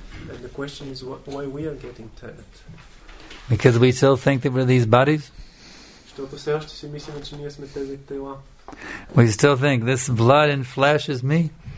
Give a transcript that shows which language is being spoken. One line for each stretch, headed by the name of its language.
English: And the question is, why we are getting tired? Because we still think that we're these bodies?
Bulgarian: Защото все още си мислиме, че ние сме тези тела.
English: We still think this blood and flesh is me.